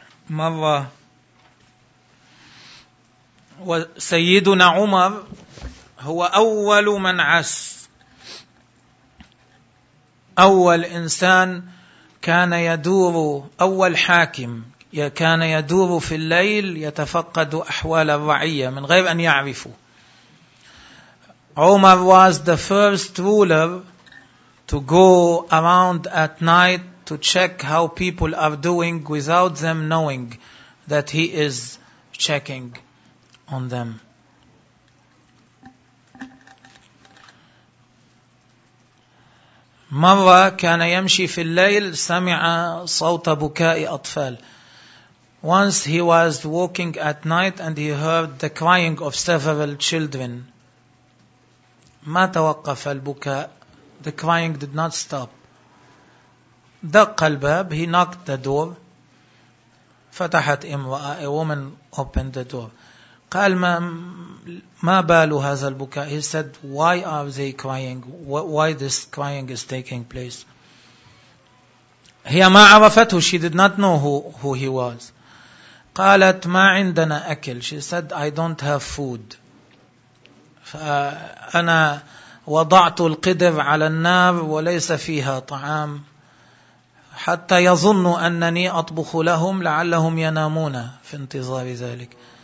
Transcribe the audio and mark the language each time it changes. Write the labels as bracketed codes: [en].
[ar] مرة وسيدنا عمر هو أول من عس. أول إنسان كان يدور، أول حاكم كان يدور في الليل يتفقد أحوال الرعية من غير أن يعرفوا. [en] عمر was the first ruler to go around at night to check how people are doing without them knowing that he is checking on them. [ar] مرة كان يمشي في الليل سمع صوت بكاء أطفال. [en] Once he was walking at night and he heard the crying of several children. [ar] ما توقف البكاء. [en] The crying did not stop. [ar] دق الباب. [en] He knocked the door. [ar] فتحت امرأة. [en] A woman opened the door. [ar] قال ما بال هذا البكاء. [en] He said, why are they crying? Why this crying is taking place? [ar] هي ما عرفته. [en] She did not know who he was. [ar] قالت ما عندنا أكل. [en] She said, I don't have food. [ar] فأنا وضعت القدر على النار وليس فيها طعام حتى يظنوا أنني أطبخ لهم لعلهم ينامون في انتظار ذلك.